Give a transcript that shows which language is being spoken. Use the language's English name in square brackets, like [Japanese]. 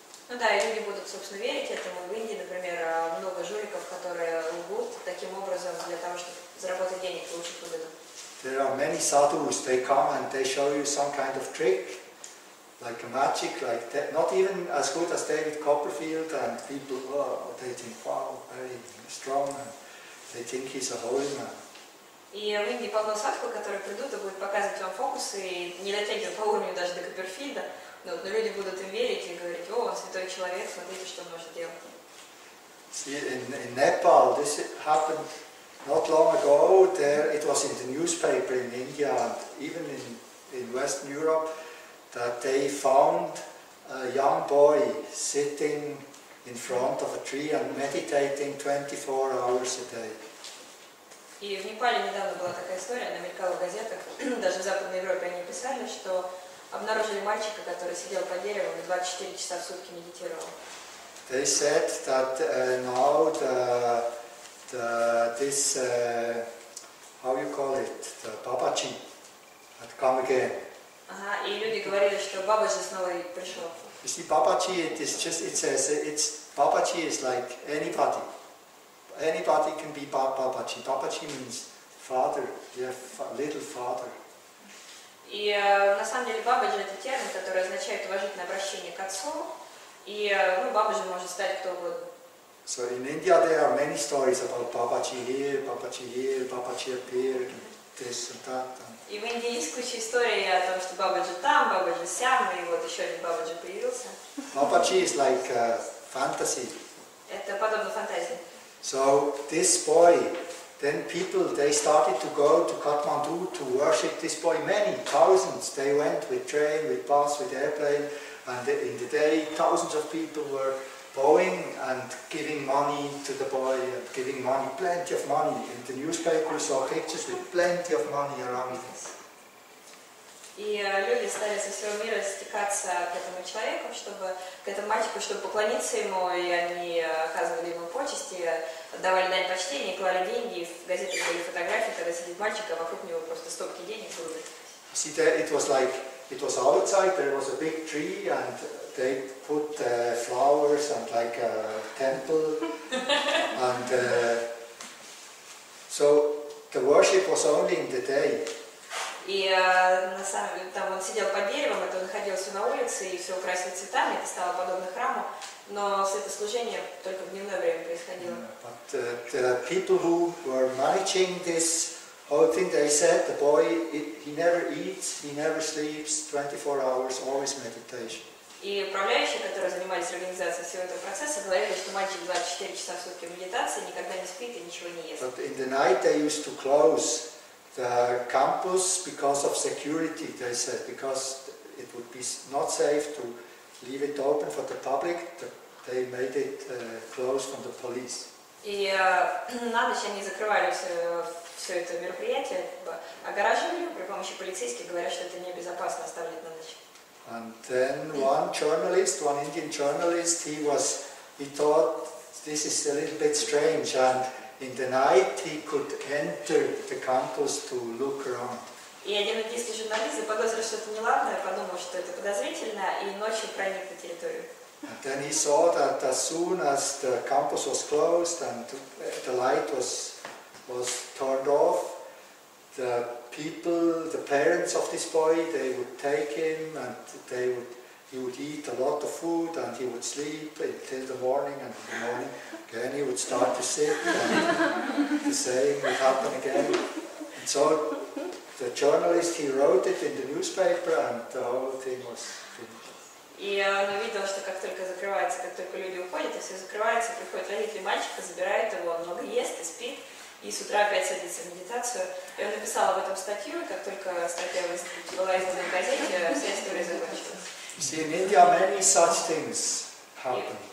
[Russian] Ну да, и люди будут, собственно, верить этому. В Индии, например, много жуликов, которые лгут таким образом для того, чтобы заработать денег, получить выгоду. [English] There are many sadhus. They come and they show you some kind of trick, like a magic, like that. Not even as good as David Copperfield, and people, oh, they think, wow, very strong, and they think he's a holy man. [Russian] И в Индии полно садху, которые придут и будут показывать вам фокусы, и не дотягивают по уровню даже до Копперфильда. Но люди будут им верить и говорить, о, он святой человек, смотрите, что он может делать. [English] See, in Nepal, this happened not long ago, there it was in the newspaper in India, and even in Western Europe, that they found a young boy sitting in front of a tree and meditating 24 hours a day. [Russian] И в Непале недавно была такая история, она мелькала в газетах, даже в Западной Европе они писали, что обнаружили мальчика, который сидел под деревом и 24 часа в сутки медитировал. [English] They said that now the this how you call it, the Babaji had come again. [Russian] Ага, и люди говорили, что Бабаджи снова пришел. [English] You see, Babaji, it says Babaji is like anybody. Anybody can be Babaji. Babaji means father, little father. [Russian] И на самом деле Бабаджи это термин, который означает уважительное обращение к отцу. И ну, Бабаджи может стать кто угодно. [English] So in India there are many stories about Babaji here, Babaji here, Babaji appeared, this and that. [Russian] И в Индии есть куча историй о том, что Бабаджи там, Бабаджи сям, и вот еще один Бабаджи появился. [English] Бабаджи is like a fantasy. [Russian] Это подобно фантазии. [English] So this boy, then people, they started to go to Kathmandu to worship this boy. Many thousands, they went with train, with bus, with airplane, and in the day thousands of people were bowing and giving money to the boy, and giving money, plenty of money. In the newspaper we saw pictures with plenty of money around this. [Russian] И люди стали со всего мира стекаться к этому человеку, к этому мальчику, чтобы поклониться ему, и они оказывали ему почести, давали дань почтения, клали деньги, и в газете были фотографии, когда сидит мальчик, а вокруг него просто стопки денег лежат. [English] See, there, it was like, it was outside, there was a big tree, and they put flowers and like a temple, and so the worship was only in the day. [Russian] И на самом деле там он сидел под деревом, это он находился на улице и все украсили цветами, это стало подобно храму, но светослужение только в дневное время происходило. [English] Yeah, but the people who were managing this whole thing, they said the boy, he never eats, he never sleeps, 24 hours, always meditation. [Russian] И управляющие, которые занимались организацией всего этого процесса, говорили, что мальчик 24 часа в сутки медитации, никогда не спит и ничего не ест. [English] But in the night they used to close the campus because of security, they said, because it would be not safe to leave it open for the public, they made it closed from the police. [Russian] И на ночь они закрывали все это мероприятие, огораживали при помощи полицейских, говорят, что это небезопасно оставлять на ночь. [English] And then one Indian journalist, he thought this is a little bit strange, and in the night he could enter the campus to look around. [Russian] И один индийский журналист заподозрил, что это неладное, подумал, что это подозрительно, и ночью проник на территорию. [English] And then he saw that as soon as the campus was closed and the light was turned off, the people, the parents of this boy, they would take him and he would eat a lot of food and he would sleep until the morning, and in the morning again he would start to sit and the same would happen again. And so the journalist, he wrote it in the newspaper and the whole thing was finished. [Russian] И он увидел, что как только закрывается, как только люди уходят, и все закрывается, приходят родители мальчика, забирают его, он много ест и спит, и с утра опять садится в медитацию. И он написал об этом статью, и как только статья была издана в газете, вся история закончилась. [English] See, in India many such things happen.